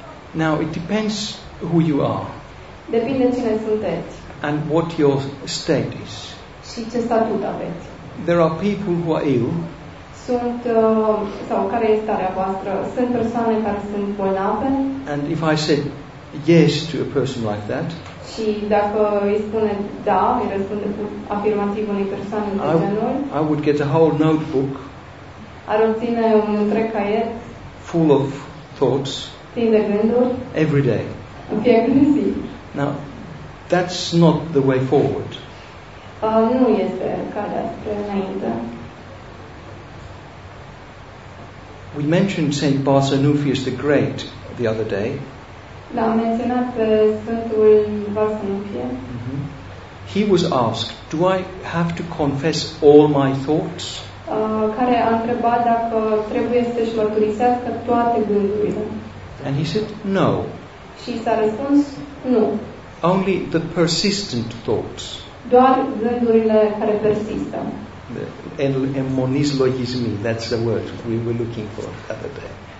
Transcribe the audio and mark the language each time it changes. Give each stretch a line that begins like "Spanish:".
English: Now it depends who you are.
Romanian: Depinde cine sunteți.
English: And what your state is.
Romanian: Și ce statut aveți.
English: There are people who are ill.
Romanian: Sunt sau care este starea voastră? Sunt persoane care sunt bolnave.
English: And if I said yes to a person like that.
Romanian: Și dacă îi spune da, îi răspunde afirmativ unei persoane de genul.
English: I would get a whole notebook.
Romanian: Ar obține un întreg caiet.
English: Full of thoughts.
Romanian: Plin de gânduri.
English: Every day.
Romanian: În fiecare zi.
English: Now, that's not the way forward.
Romanian: Nu este calea spre înainte.
English: We mentioned Saint Barsanuphius the Great the other day.
Romanian: L-am menționat pe Sfântul Barsanuphie. Mm-hmm.
English: He was asked, do I have to confess all my thoughts?
Romanian: Care a întrebat dacă trebuie să-și mărturisească toate gândurile.
English: And he said, no.
Romanian: Și s-a răspuns, nu.
English: Only the persistent thoughts.
Romanian: Doar gândurile care persistă.
English: Emonis logismi, that's the word we were looking for the other day.